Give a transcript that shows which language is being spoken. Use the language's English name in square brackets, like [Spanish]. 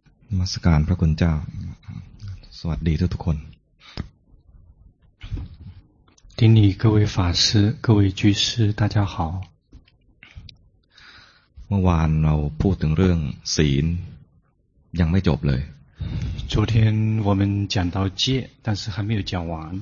[Thai] นมัสการพระคุณเจ้าสวัสดีทุกคน [Chinese] 丁里各位法师各位居士大家好 [Thai] เมื่อวานเราพูดถึงเรื่องศีลยังไม่จบเลย [Chinese] 昨天我们讲到戒但是还没有讲完